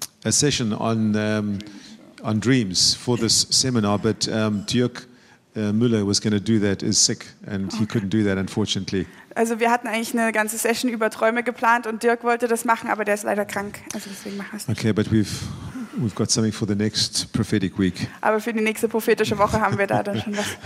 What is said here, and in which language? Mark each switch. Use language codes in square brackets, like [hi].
[en] a session on dreams for this seminar, but Dirk Müller was going to do that, is sick, and he couldn't do that, unfortunately. [de] Also wir hatten eigentlich eine ganze Session über Träume geplant und Dirk wollte das machen, aber der ist leider krank, also deswegen machen wir es nicht. [en] Okay, but we've got something for the next prophetic week. [de] Aber für die nächste prophetische Woche haben wir da dann schon was.